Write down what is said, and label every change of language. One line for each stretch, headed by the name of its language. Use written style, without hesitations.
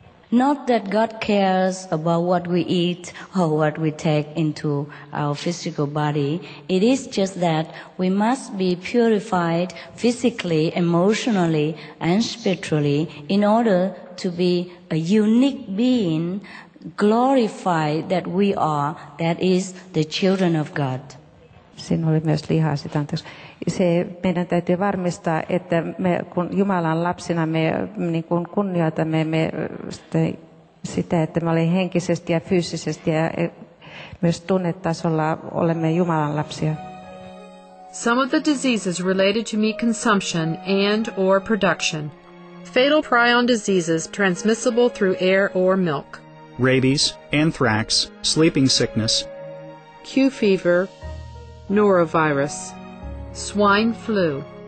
English: Not that God cares about what we eat or what we take into our physical body. It is just that we must be purified physically, emotionally, and spiritually in order to be a unique being, glorified that we are, that is the children of God.
Finnish: Siinä oli myös lihaa sitä, anteeksi. Se meidän täytyy varmistaa, että me kun Jumalan lapsina me niin kuin kunnioitamme me sitä, että me olemme henkisesti ja fyysisesti ja myös tunnetasolla olemme Jumalan lapsia.
English: Some of the diseases related to meat consumption and or production Fatal prion diseases transmissible through air or milk. Rabies, anthrax, sleeping sickness. Q fever, norovirus, swine flu.